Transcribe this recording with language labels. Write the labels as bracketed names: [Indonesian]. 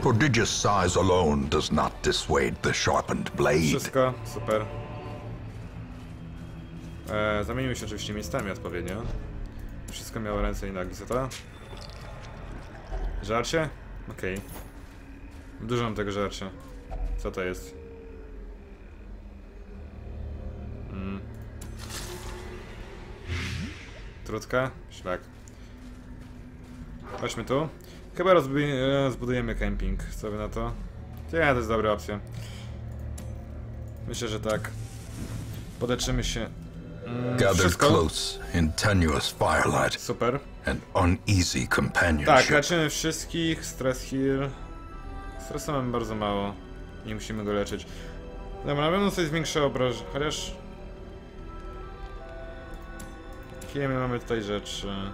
[English] Prodigious size alone does not dissuade the sharpened blade. [Polish] Wszystko, super. Zamienimy się oczywiście miejscami odpowiednio. Wszystko miało ręce i nogi, co to? Żarcie? Okej. Okay. Dużo mam tego żarcia. Co to jest? Trutka? Szlak. Chodźmy tu. Chyba rozbudujemy kemping. Co by na to? Ja, to jest dobra opcja. Myślę, że tak. Podetrzymy się. [English] Gathered close in tenuous firelight. Super. An uneasy companionship. [Polish] Tak, leczymy wszystkich. Stress heal. Stresu mamy bardzo mało. Nie musimy go leczyć. Dobra, na pewno coś zwiększa obrażenie. Chociaż. Jakie my mamy tutaj rzeczy?